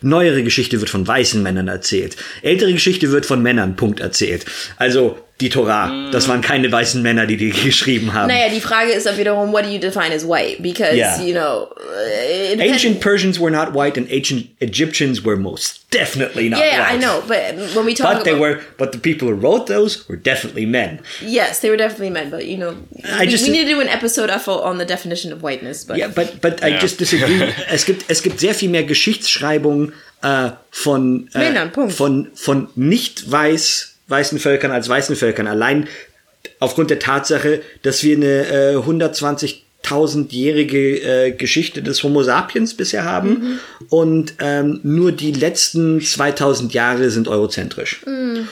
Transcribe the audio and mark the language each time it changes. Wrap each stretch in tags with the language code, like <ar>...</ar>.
<de>Neuere Geschichte wird von weißen Männern erzählt. Ältere Geschichte wird von Männern, Punkt, erzählt. Also die Tora, das waren keine weißen Männer, die geschrieben haben. Naja, die Frage ist auch wiederum,</de> <en>what do you define as white? Because, you know, Ancient Persians were not white and ancient Egyptians were most definitely not white. Yeah, I know, but when we talk about... But the people who wrote those were definitely men. Yes, they were definitely men, but, you know, we need to do an episode on the definition of whiteness. But. Yeah, but I just disagree.</en> <de>es gibt sehr viel mehr Geschichtsschreibung von Männern, Punkt. Von nicht weiß weißen Völkern als weißen Völkern. Allein aufgrund der Tatsache, dass wir eine 120.000-jährige Geschichte des Homo sapiens bisher haben und nur die letzten 2000 Jahre sind eurozentrisch. Mhm.</de>